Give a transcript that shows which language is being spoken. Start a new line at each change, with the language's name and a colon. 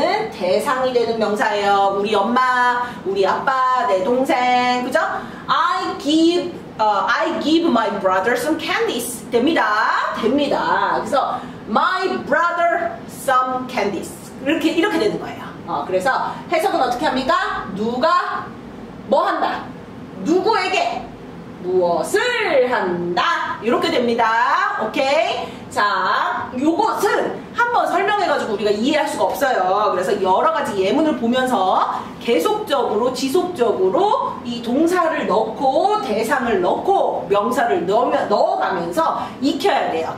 Korean: 대상이 되는 명사예요. 우리 엄마, 우리 아빠, 내 동생. 그죠?
English: I give my brother some candies.
Korean: 됩니다. 그래서
English: my brother some candies.
Korean: 이렇게 되는 거예요. 그래서 해석은 어떻게 합니까? 누가 뭐 한다? 누구에게 무엇을 한다? 이렇게 됩니다. 오케이? 자, 요것은 한번 설명해가지고 우리가 이해할 수가 없어요. 그래서 여러 가지 예문을 보면서 계속적으로 지속적으로 이 동사를 넣고 대상을 넣고 명사를 넣어가면서 익혀야 돼요.